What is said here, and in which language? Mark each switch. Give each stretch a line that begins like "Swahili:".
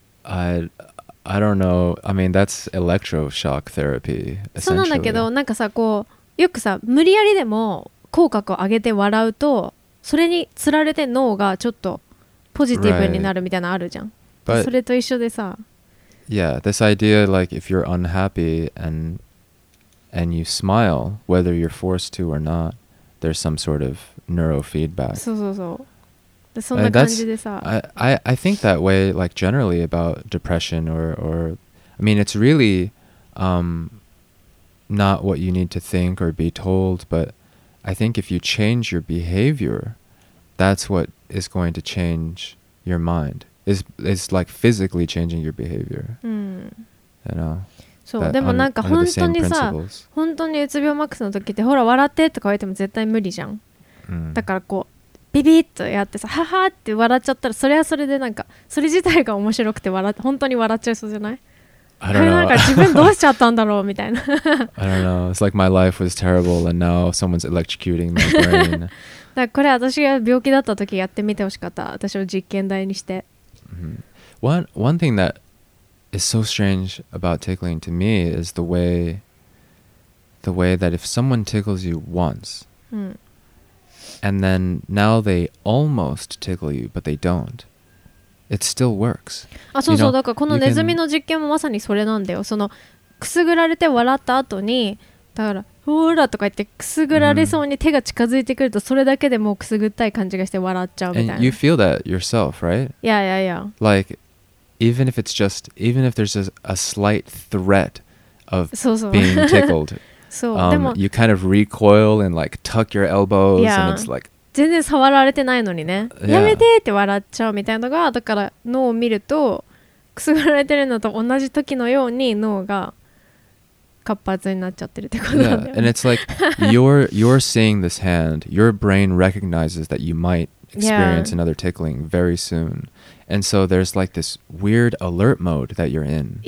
English: I don't know. I mean, that's electroshock therapy, essentially.
Japanese: そうなんだけど、なんかさ、こうよくさ、無理やりでも口角を上げて笑うとそれにつられて脳がちょっとポジティブになるみたいなのあるじゃん、
English: right.
Japanese: それと一緒でさ、
English: Yeah, this idea like if you're unhappy and you smile, whether you're forced to or not, there's some sort of neurofeedback.
Japanese: そうそうそう。で、そんな感じでさ。
English: I think that way like generally about depression or I mean it's really not what you need to think or be told, but I think if you change your behavior, that's what is going to change your mind. It's like physically changing your behavior. Mm. You know? So, but
Japanese: でもなんか本当にさ、本当にうつ病マックスの時ってほら笑ってとか言われても絶対無理じゃん。だからこうビビッとやってさ、ははって笑っちゃったら、それはそれでなんかそれ自体が面白くて本当に笑っちゃいそうじゃない？
English: I don't know.
Japanese: なんか自分どうしちゃったんだろうみたいな。
English: I don't know. It's like my life was terrible and now someone's electrocuting my brain.
Japanese: だからこれ私が病気だった時やってみてほしかった、私を実験台にして。 Mm-hmm.
English: One thing that is so strange about tickling to me is the way that if someone tickles you once、mm. and then now they almost tickle you but they don't, it still works.
Japanese: あ、そうそう、
English: you know,
Japanese: だからこのネズミの実験もまさにそれなんだよ。そのくすぐられて笑った後に、だからほらとか言ってくすぐられそうに手が近づいてくると、それだけでもうくすぐったい感じがして笑っちゃうみたいな。
English: And you feel that yourself, right? Yeah, yeah, yeah. Like, even if it's just, even if there's a slight threat of
Japanese: そうそう
English: being tickled,
Japanese: そう、でも
English: you kind of recoil and like tuck your elbows、yeah. and it's like
Japanese: 全然触られてないのにね、
English: yeah.
Japanese: やめてって笑っちゃうみたいなのが、だから脳を見るとくすぐられてるのと同じ時のように脳が活発になっちゃってるってことなんだよ。
English: Yeah, and it's like you're seeing this hand, your brain recognizes that you might experience、 yeah. another tickling very soon, and so there's like this weird alert mode that you're in.